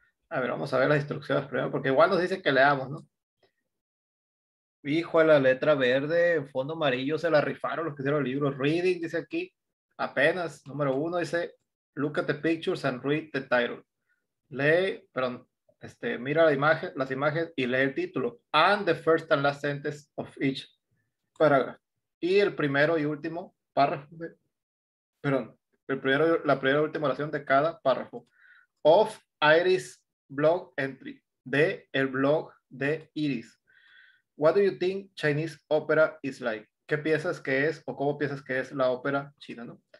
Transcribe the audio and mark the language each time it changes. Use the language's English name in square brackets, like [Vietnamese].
[Spanish] A ver, vamos a ver las instrucciones primero, porque igual nos dice que leamos, ¿no? Hijo de la letra verde, en fondo amarillo, se la rifaron los que hicieron el libro. [English] Reading, [Spanish] dice aquí. Apenas, número uno dice, [English] look at the pictures and read the title. [Spanish] Lee, perdón, mira la imagen, las imágenes y lee el título. [English] And the first and last sentence of each paragraph. [Spanish] Y el primero y último párrafo, perdón, la primera y última oración de cada párrafo. [English] Of Iris blog entry, [Spanish] de el blog de Iris. [English] What do you think Chinese opera is like? [Spanish] ¿Qué piensas que es o cómo piensas que es la ópera china, no?